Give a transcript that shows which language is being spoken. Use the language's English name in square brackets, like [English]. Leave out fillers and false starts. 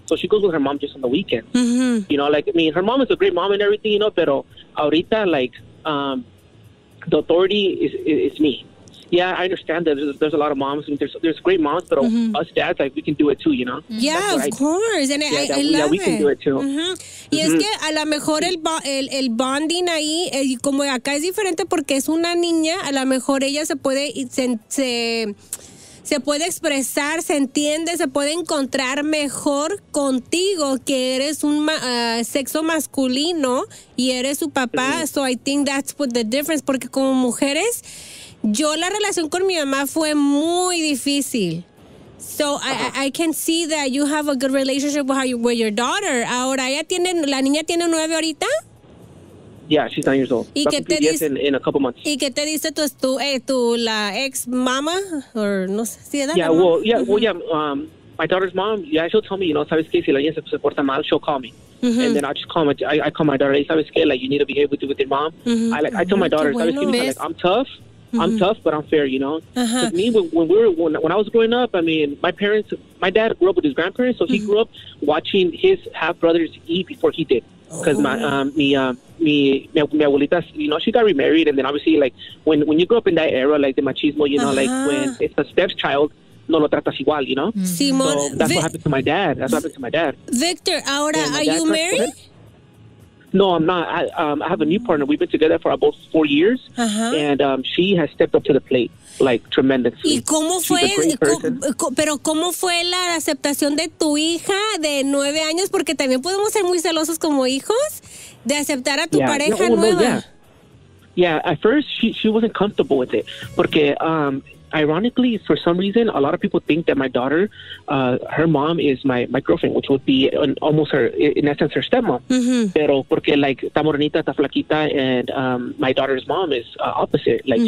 [English] So she goes with her mom just on the weekend. Mm-hmm. You know, like, I mean, her mom is a great mom and everything, you know, [Spanish] pero ahorita, [English] like, the authority is me. Yeah, I understand that there's a lot of moms. I mean, there's great moms, but us dads, like, we can do it too, you know? Yeah, of course. And yeah, I love it. Yeah, we can do it too. Mm-hmm. [Spanish] Y es que a lo mejor el bonding ahí, como acá es diferente porque es una niña, a lo mejor ella se puede expresar, se entiende, se puede encontrar mejor contigo que eres un sexo masculino y eres su papá. Mm-hmm. [English] So I think that's what the difference, [Spanish] porque como mujeres, yo la relación con mi mamá fue muy difícil. [English] So I can see that you have a good relationship with your daughter. [Spanish] Ahora ella tiene, la niña tiene 9 ahorita. [English] Yeah, she's 9 years old. [Spanish] ¿Y qué te dice [English] in a couple months? [Spanish] ¿Y qué te dice tu la ex mama or no sé si edad? [English] Yeah, well, yeah, well, yeah. My daughter's mom. Yeah, she'll tell me, you know, [Spanish] sabes que si la niña se porta mal, [English] she'll call me. Mm-hmm. And then I just call my I call my daughter. [Spanish] Sabes que, [English] like, you need to behave with your mom. Mm-hmm. I tell my daughter, [Spanish] sabes que, [English] like, I'm tough. Mm-hmm. I'm tough, but I'm fair, you know. Uh-huh. Me, when I was growing up, I mean, my dad grew up with his grandparents, so mm-hmm. he grew up watching his half brothers eat before he did. Because [Spanish] mi abuelita, [English] you know, she got remarried, and then obviously, like, when you grow up in that era, like the machismo, you know, like when it's a step's child, [Spanish] no lo tratas igual, [English] you know. Mm-hmm. Simon, so that's what happened to my dad. That's what happened to my dad. Victor, ahora, are you married? No, I'm not. I have a new partner. We've been together for about 4 years, uh-huh. and she has stepped up to the plate, like, tremendously. [Spanish] ¿Y cómo fue? Pero ¿cómo fue la aceptación de tu hija de 9 años? Porque también podemos ser muy celosos como hijos de aceptar a tu pareja nueva. [English] Yeah, at first she wasn't comfortable with it, porque ironically, for some reason, a lot of people think that my daughter, her mom is my girlfriend, which would be almost her, in essence, her stepmom. Mm-hmm. [Spanish] Pero porque, [English] like, [Spanish] está morenita, está flaquita, [English] and my daughter's mom is opposite. Like, mm-hmm.